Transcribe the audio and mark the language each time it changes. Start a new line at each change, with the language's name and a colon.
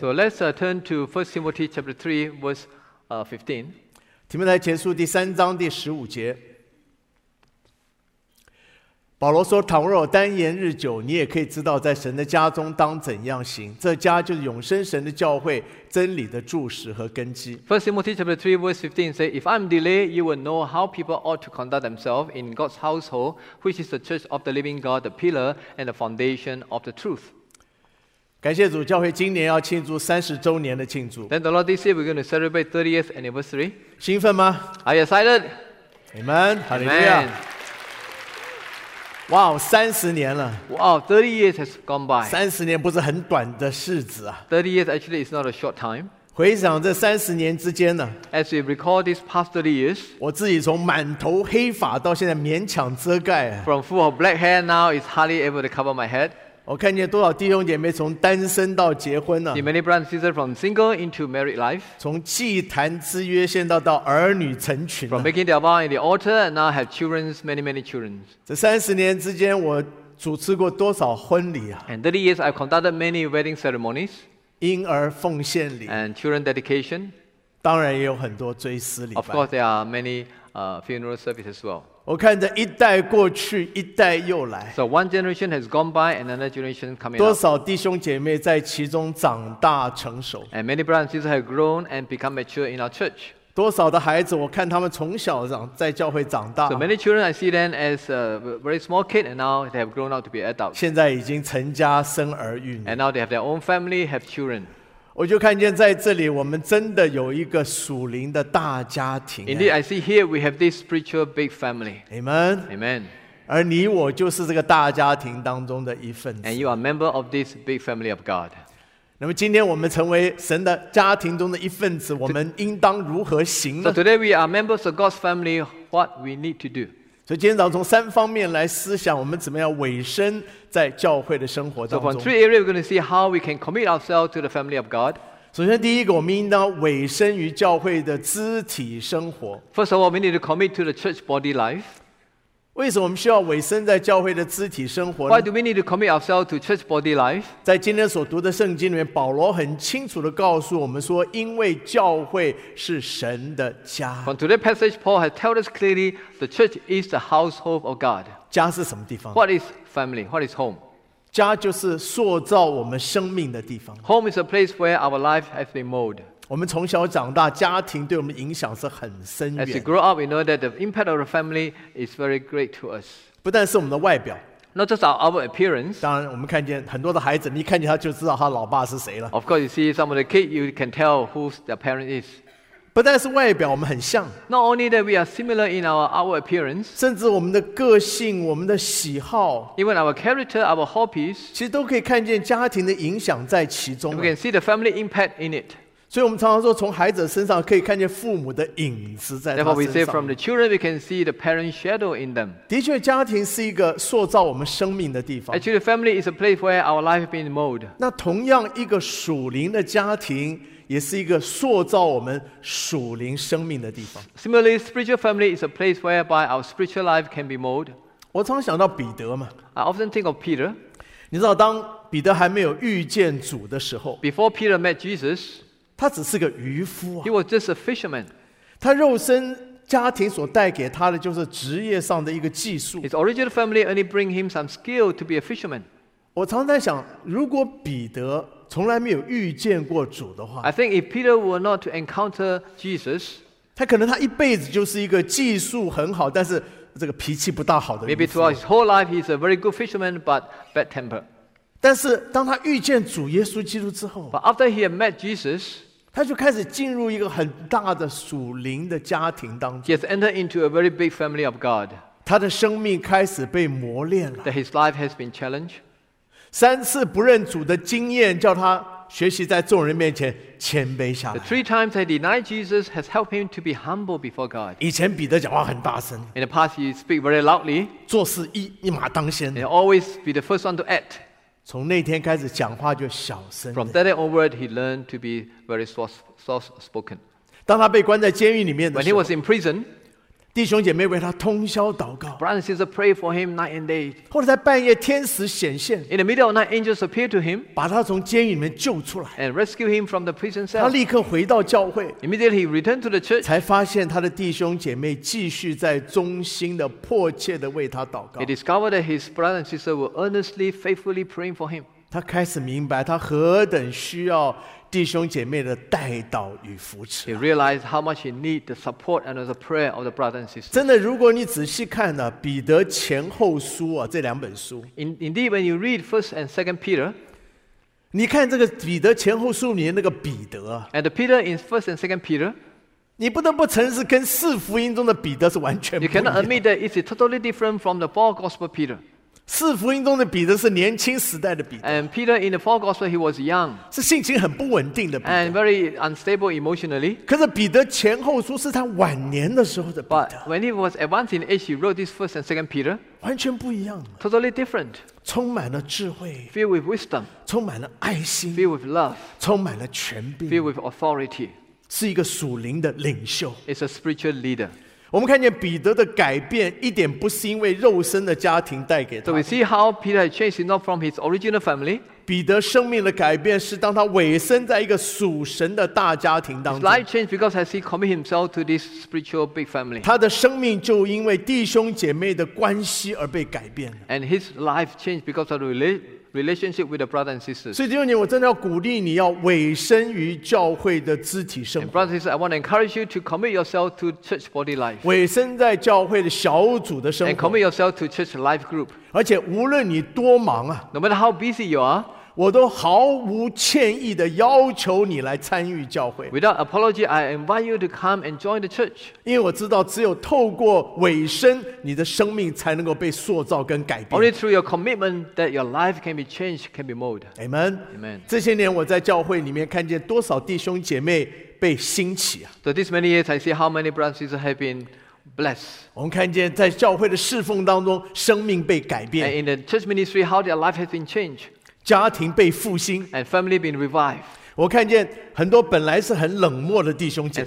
English: So let's turn to 1 Timothy chapter 3, verse 15.
Chinese: 提摩太前书第三章第十五节，保罗说：“倘若单言日久，你也可以知道在神的家中当怎样行。这家就是永生神的教会，真理的柱石和根基。”
English: 1 Timothy chapter 3, verse 15 says, "If I'm delayed, you will know how people ought to conduct themselves in God's household, which is the church of the living God, the pillar and the foundation of the truth."
Chinese: 感谢主，教会今年要庆祝30周年的庆祝。
English: Then the Lord, this year we're going to celebrate 30th anniversary.
Chinese: 兴奋吗
English: ？Are you excited? Amen. Hallelujah.
Chinese: 哇，三十年了！
English: 哇 ，30 years has gone by。
Chinese: 三十年不是很短的日子啊。
English: 30 years actually is not a short time。
Chinese: 回想这三十年之间呢
English: ？As we recall these past 30 years，
Chinese: 我自己从满头黑发到现在勉强遮盖。
English: From full of black hair now is hardly able to cover my head。
Chinese: 我看见多少弟兄姐妹从单身到结婚呢
English: ？See many brothers and sisters from single into married life。
Chinese: 从祭坛之约现在到儿女成群。
English: From making their vow in the altar and now have children, many many children。
Chinese: 这三十年之间，我主持过多少婚礼啊
English: ？And 30 years I conducted many wedding ceremonies。
Chinese: 婴儿奉献礼。
English: And children dedication。
Chinese: 当然也有很多追思礼。
English: Of course, there are many funeral services as well。
Chinese: 我看着一代过去，一代又来。
English: So one generation has gone by, and another generation coming up.
Chinese: 多少弟兄姐妹在其中长大成熟。
English: And many brothers and sisters have grown and become mature in our church.
Chinese: 多少的孩子，我看他们从小长在教会长大。
English: So many children I see them as a very small kid, and now they have grown up to be adults.
Chinese: 现在已经成家生儿育女。
English: And now they have their own family, have children.
Chinese: 我就看见在这里，我们真的有一个属灵的大家庭。
English: Indeed, I see here we have this spiritual big family. Amen. Amen.
Chinese: 而你我就是这个大家庭当中的一份子。
English: And you are a member of this big family of God.
Chinese: 那么今天我们成为神的家庭中的一份子，我们应当如何行呢
English: ？So today we are members of God's family. What we need to do?
Chinese: 所以今天早上从三方面来思想，我们怎么样委身在教会的生活当中。
English: So from three areas, we're going to see how we can commit ourselves to the family of God.
Chinese: 首先，第一个，我们应当委身于教会的肢体生活。
English: First of all, we need to commit to the church body life.
Chinese: 为什么我们需要委身在教会的肢体生活呢
English: ？Why do we need to commit ourselves to church body life?
Chinese: 在今天所读的圣经里面，保罗很清楚地告诉我们说，因为教会是神的家。
English: From today's passage, Paul has told us clearly. The church is the household of God.
Chinese: 家是什么地方
English: ？What is family? What is home?
Chinese: 家就是塑造我们生命的地方。
English: Home is a place where our life has been molded.
Chinese: 我们从小长大，家庭对我们影响是很深远。
English: As we grow up, we know that the impact of the family is very great to us.
Chinese: 不但是我们的外表。
English: Not just our appearance.
Chinese: 当然，我们看见很多的孩子，你看见他就知道他老爸是谁了。
English: Of course, you see some of the kids, you can tell who their parent is.
Chinese: 不但是外表我们很像
English: Not only that we are similar in our appearance
Chinese: 甚至我们的个性我们的喜好
English: Even our character, our hobbies
Chinese: 其实都可以看见家庭的影响在其中
English: We can see the family impact in it
Chinese: 所以我们常常说从孩子身上可以看见父母的影子在他身上
English: Therefore we say from the children we can see the parent shadow in them
Chinese: 的确家庭是一个塑造我们生命的地方
English: Actually family is a place where our life has been molded
Chinese: 那同样一个属灵的家庭也是一个塑造我们属灵生命的地方。
English: Similarly, spiritual family is a place whereby our spiritual life can be molded.
Chinese: 我常想到彼得嘛。
English: I often think of Peter.
Chinese: 你知道，当彼得还没有遇见主的时候
English: ，Before Peter met Jesus,
Chinese: 他只是个渔夫啊。
English: He was just a fisherman.
Chinese: 他肉身家庭所带给他的就是职业上的一个技术。
English: His original family only bring him some skill to be a fisherman.
Chinese: 我常在想，如果彼得从来没有遇见过主的话
English: I think if Peter were not to encounter Jesus
Chinese: 他可能他一辈子就是一个技术很好但是这个脾气不大好的
English: Maybe throughout his whole life he's a very good fisherman but bad temper
Chinese: 但是当他遇见主耶稣基督之后
English: But after he had met Jesus
Chinese: 他就开始进入一个很大的属灵的家庭当中
English: He has entered into a very big family of God
Chinese: 他的生命开始被磨练了
English: That his life has been challenged
Chinese: 三次不认主的经验叫他学习在众人面前谦卑下来。
English: The three times he denied Jesus has helped him to be humble before God.
Chinese: 以前彼得讲话很大声。
English: In the past, he speak very loudly.
Chinese: 做事一马当先。
English: And always be the first one to act.
Chinese: 从那天开始讲话就小声。
English: From that day onward, he learned to be very soft spoken.
Chinese: 当他被关在监狱里面的时候
English: When he was in prison,
Chinese: 弟兄姐妹为他通宵祷告。
English: Brothers and sisters pray for him night and day.
Chinese: 或者在半夜天使显现。
English: In the middle of night, angels appear to him.
Chinese: 把他从监狱里面救出来。
English: And rescue him from the prison cell.
Chinese: 他立刻回到教会。
English: Immediately return to the church.
Chinese: 才发现他的弟兄姐妹继续在忠心的、迫切的为他祷告。
English: He discovered that his brothers and sisters were earnestly, faithfully praying for him.
Chinese: 他开始明白他何等需要弟兄姐妹的带导与扶持。
English: He realized how much he need the support and the prayer of the brothers and sisters.
Chinese: 真的，如果你仔细看呢，彼得前后书啊，这两本书。
English: Indeed, when you read First and Second Peter,
Chinese: 你看这个彼得前后书里面那个彼得。
English: And Peter in First and Second Peter,
Chinese: 你不得不承认是跟四福音中的彼得是完全不一样。
English: You cannot admit that it's totally different from the Paul Gospel Peter.
Chinese: 四福音中的彼得是年轻时代的彼得。
English: And Peter in the four gospel he was young.
Chinese: 是性情很不稳定的彼得。
English: And very unstable emotionally.
Chinese: 可是彼得前后书是他晚年的时候的彼得。
English: But when he was advanced in age, he wrote this first and second Peter.
Chinese: 完全不一样。
English: Totally different.
Chinese: 充满了智慧。
English: Filled with wisdom.
Chinese: 充满了爱心。
English: Filled with love.
Chinese: 充满了权柄。
English: Filled with authority.
Chinese: 是一个属灵的领袖。
English: It's a spiritual leader.
Chinese: 我们看见彼得的改变一点不是因为肉身的家庭带给他的。
English: So we see how Peter has changed not from his original family.
Chinese: 彼得生命的改变是当他委身在一个属神的大家庭当中。
English: His life changed because as he committed himself to this spiritual big family.
Chinese: 他的生命就因为弟兄姐妹的关系而被改变了。
English: And his life changed because of the relationship with the brothers and sisters.
Chinese: 所以弟兄姐妹，我真的要鼓励你要委身于教会的肢体生活。
English: Brothers and sisters, I want to encourage you to commit yourself to church body life.
Chinese: 委身在教会的小组的生活。
English: And commit yourself to church life group.
Chinese: 而且无论你多忙啊
English: ，No matter how busy you are,
Chinese: 我都毫无歉意的要求你来参与教会。
English: Without apology, I invite you to come and join the church.
Chinese: 因为我知道，只有透过委身，你的生命才能够被塑造跟改变。
English: Only through your commitment that your life can be changed, can be molded. Amen. Amen.
Chinese: 这些年我在教会里面看见多少弟兄姐妹被兴起啊
English: ！So this many years, I see how many brothers and sisters have been. Bless.
Chinese: 我们看见在教会的侍奉当中，生命被改变。
English: And in the church ministry, how their life has been changed.
Chinese: 家庭被复兴。
English: And family been revived.
Chinese: 我看见很多本来是很冷漠的弟兄姐妹。